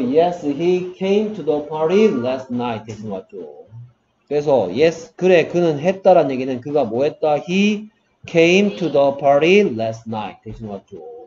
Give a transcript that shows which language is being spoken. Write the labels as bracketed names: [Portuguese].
[English] yes he came to the party last night 대신 왔죠. [Korean] 그래서 yes 그래 그는 했다라는 얘기는 그가 뭐 했다? [English] he came to the party last night 대신 왔죠.